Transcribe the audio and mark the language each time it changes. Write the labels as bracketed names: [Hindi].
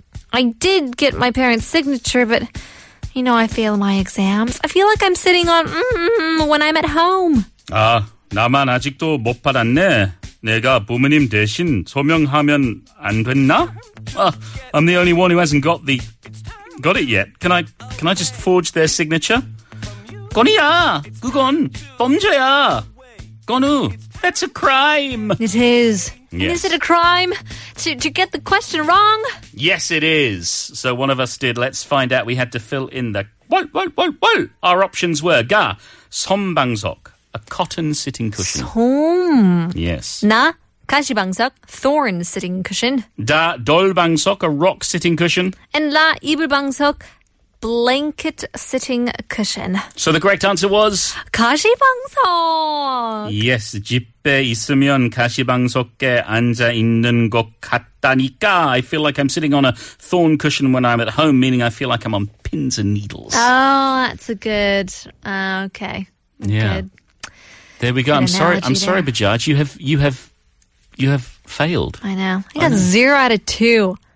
[English] I did get my parents' signature, but you know I fail my exams. I feel like I'm sitting on when I'm at home. [Korean] 아, 나만 아직도 못 받았네. 내가 부모님 대신 서명하면 안 됐나? [English] I'm the only one who hasn't got it yet. Can I just forge their signature? [Korean] 건우야, 그건 범죄야. 건우, [English] that's a crime. It is. Yes. And is it a crime to get the question wrong? Yes, it is. So one of us did. Let's find out. We had to fill in the... Our options were... 가, 솜방석, a cotton sitting cushion. [Korean] 솜. [English] Yes. 나, 가시방석, thorn sitting cushion. 다, 돌방석, a rock sitting cushion. And 라, 이불방석, blanket sitting cushion. So the correct answer was [Korean] 가시방석. Yes, 집에 있으면 가시방석에 앉아 있는 것 같다니까. [English] I feel like I'm sitting on a thorn cushion when I'm at home, meaning I feel like I'm on pins and needles. Oh, that's a good. Okay. Yeah. Good. There we go. I'm sorry, Bajaj. You have failed. I know. I got 0 out of 2.